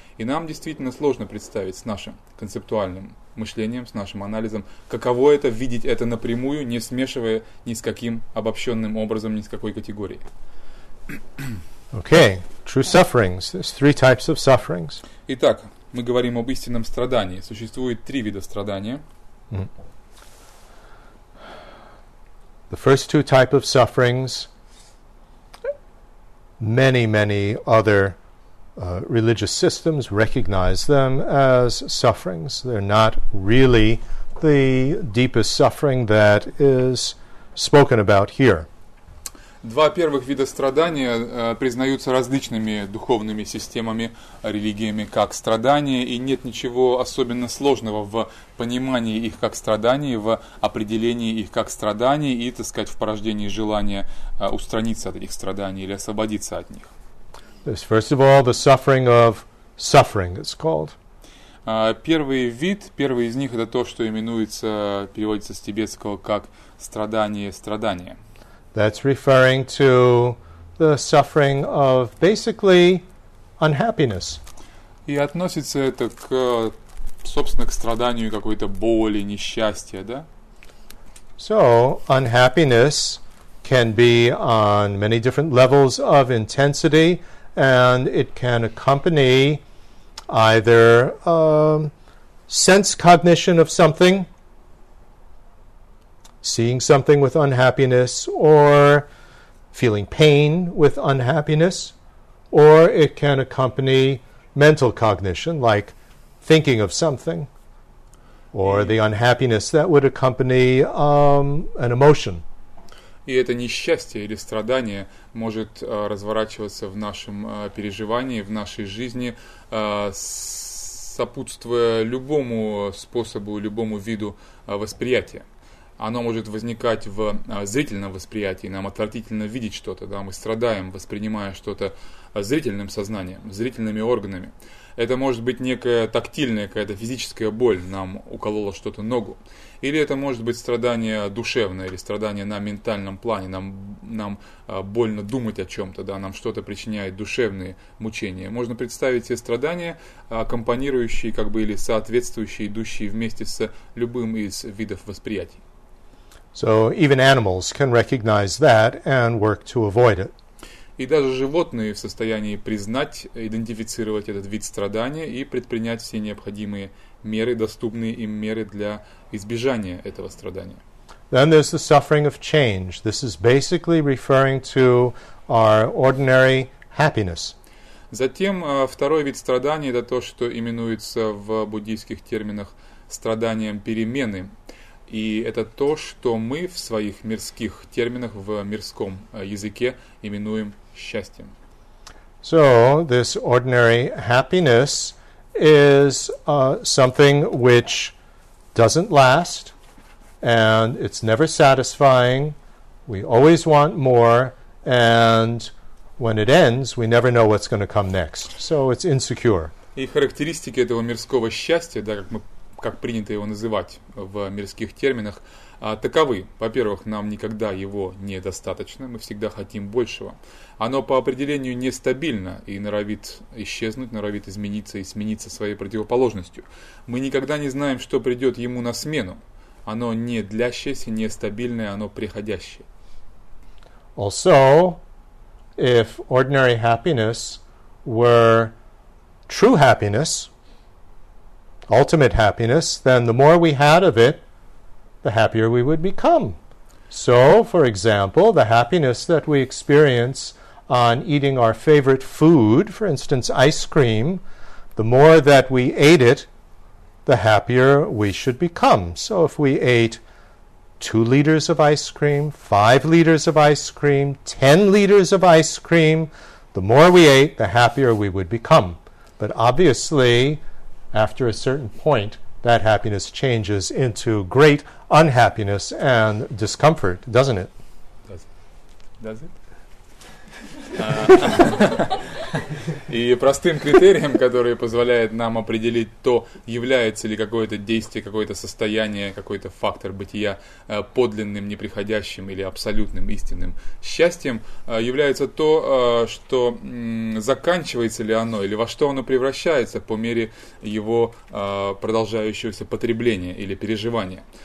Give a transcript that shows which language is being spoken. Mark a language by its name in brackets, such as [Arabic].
[Russian] И нам действительно сложно представить с нашим концептуальным мышлением, с нашим анализом, каково это видеть это напрямую, не смешивая ни с каким обобщенным образом, ни с какой категорией. [English] Okay, true sufferings. There's three types of sufferings. [Russian] Итак, мы говорим об истинном страдании. Существует три вида страдания. [English] The first two type of sufferings, many, many other religious systems recognize them as sufferings. They're not really the deepest suffering that is spoken about here. [Russian] Два первых вида страдания признаются различными духовными системами, религиями как страдания, и нет ничего особенно сложного в понимании их как страданий, в определении их как страданий и, так сказать, в порождении желания устраниться от этих страданий или освободиться от них. То есть, [English] first of all, the suffering of suffering, it's called. [Russian] Первый вид, первый из них, это то, что именуется, переводится с тибетского как страдание, страдание. [English] That's referring to the suffering of basically unhappiness. [Russian] И относится это к, собственно, к страданию какой-то боли, несчастья, да? [English] So, unhappiness can be on many different levels of intensity, and it can accompany either sense cognition of something, seeing something with unhappiness, or feeling pain with unhappiness, or it can accompany mental cognition, like thinking of something, or the unhappiness that would accompany an emotion. [Russian] И это несчастье или страдание может разворачиваться в нашем переживании, в нашей жизни, сопутствуя любому способу, любому виду восприятия. Оно может возникать в зрительном восприятии, нам отвратительно видеть что-то, да, мы страдаем, воспринимая что-то зрительным сознанием, зрительными органами. Это может быть некая тактильная, какая-то физическая боль, нам укололо что-то ногу. Или это может быть страдание душевное, или страдание на ментальном плане, нам больно думать о чем-то, да, нам что-то причиняет душевные мучения. Можно представить себе страдания, аккомпанирующие, как бы, или соответствующие, идущие вместе с любым из видов восприятий. [English] So even animals can recognize that and work to avoid it. [Russian] И даже животные в состоянии признать, идентифицировать этот вид страдания и предпринять все необходимые меры, доступные им меры для избежания этого страдания. [English] Then there's the suffering of change. This is basically referring to our ordinary happiness. [Russian] Затем второй вид страдания – это то, что именуется в буддийских терминах страданием перемены. И это то, что мы в своих мирских терминах, в мирском языке именуем счастьем. [English] So, this ordinary happiness is something which doesn't last, and it's never satisfying. We always want more, and when it ends, we never know what's going to come next. So, it's insecure. [Russian] И характеристики этого мирского счастья, да, как принято его называть в мирских терминах, таковы. Во-первых, нам никогда его недостаточно, мы всегда хотим большего. Оно по определению нестабильно и норовит исчезнуть, норовит измениться и смениться своей противоположностью. Мы никогда не знаем, что придет ему на смену. Оно не длящееся, нестабильное, оно приходящее. [English] Also, if ordinary happiness were true happiness, ultimate happiness, then the more we had of it, the happier we would become. So, for example, the happiness that we experience on eating our favorite food, for instance, ice cream, the more that we ate it, the happier we should become. So if we ate 2 liters of ice cream, 5 liters of ice cream, 10 liters of ice cream, the more we ate, the happier we would become. But obviously, after a certain point, that happiness changes into great unhappiness and discomfort, doesn't it? Does it? [Russian] И простым критерием, который позволяет нам определить то, является ли какое-то действие, какое-то состояние, какой-то фактор бытия подлинным, неприходящим или абсолютным истинным счастьем, является то, что заканчивается ли оно, или во что оно превращается по мере его продолжающегося потребления или переживания.